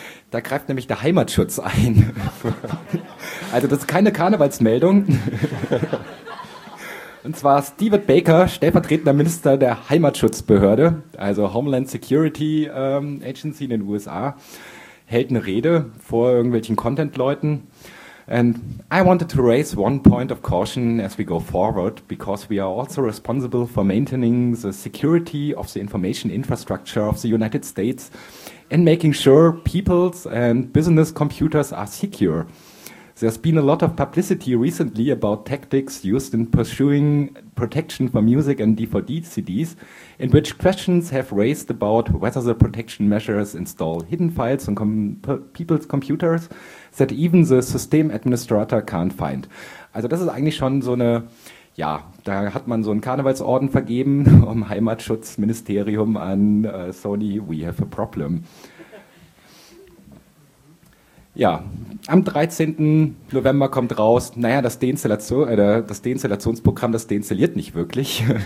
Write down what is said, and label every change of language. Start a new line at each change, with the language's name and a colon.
German: Da greift nämlich der Heimatschutz ein. Also das ist keine Karnevalsmeldung. Und zwar Steven Baker, stellvertretender Minister der Heimatschutzbehörde, also Homeland Security Agency in den USA, hält eine Rede vor irgendwelchen Content-Leuten.
English: And I wanted to raise one point of caution as we go forward, because we are also responsible for maintaining the security of the information infrastructure of the United States and making sure people's and business computers are secure. There's been a lot of publicity recently about tactics used in pursuing protection for music and DVD CDs, in which questions have raised about whether the protection measures install hidden files on people's computers that even the system administrator can't find.
German: Also das ist eigentlich schon so eine, da hat man so einen Karnevalsorden vergeben um Heimatschutzministerium an Sony,
English: we have a problem.
German: Ja, am 13. November kommt raus, naja, das Deinstallationsprogramm, das deinstalliert nicht wirklich.